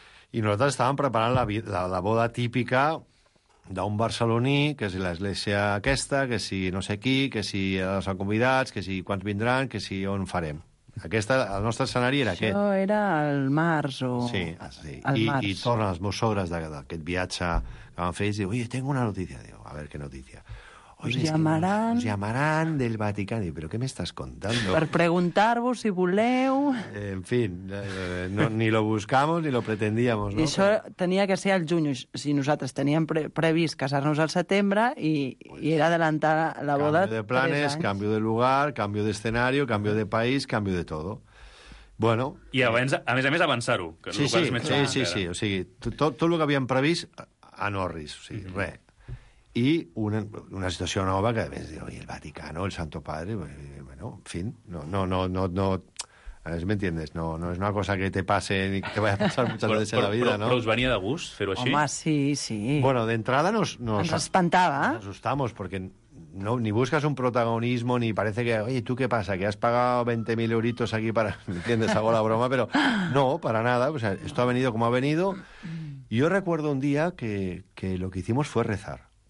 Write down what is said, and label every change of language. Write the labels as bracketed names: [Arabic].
[Catalan] I nosaltres estàvem preparant la boda típica d'un barceloní, que si l'església aquesta, que si no sé qui, que si els han convidats, que si quants vindran, que si on farem. Aquesta, el nostre escenari era això aquest. Això era el març o... Sí, sí. I tornen els meus sogres d'aquest viatge que van fer i diuen, [Spanish] oye, tengo una noticia. Digo, a ver, ¿qué noticia? Oye, us llamaran... [Catalan] Us llamaran del Vaticà. [Spanish] Digo, ¿pero qué me estás contando? [Catalan] Per preguntar-vos si voleu... [Spanish] En fin, no, ni lo buscamos ni lo pretendíamos, ¿no? [Catalan] I això tenia que ser al juny. Si nosaltres teníem previst casar-nos al setembre i era adelantar la boda... [Spanish] Cambio de planes, cambio de lugar, cambio de escenario, cambio de país, cambio de todo. Bueno... [Catalan] I abans, a més avançar-ho. Sí, sí, sí, sí, sí. O sigui, tot el que havíem previst a Norris, o sigui, res. I una situació nova que, a més, diu, [Spanish] el Vaticano, el Santo Padre, [Catalan] bueno, en fin, no, a més, m'entiendes, no és una cosa [Spanish] que te pase ni que te vaya a pasar muchas veces en la vida, [Catalan] però, ¿no? Però us venia de gust fer-ho així? Home, sí, sí. Bueno, d'entrada nos... Ens espantava. [Spanish] Nos asustamos, porque no, ni buscas un protagonismo, ni parece que, oye, ¿tú qué pasa? Que has pagado 20.000 euritos aquí para... ¿Me entiendes? Hago la broma, pero no, para nada. O sea, esto ha venido como ha venido. Yo recuerdo un día que lo que hicimos fue rezar.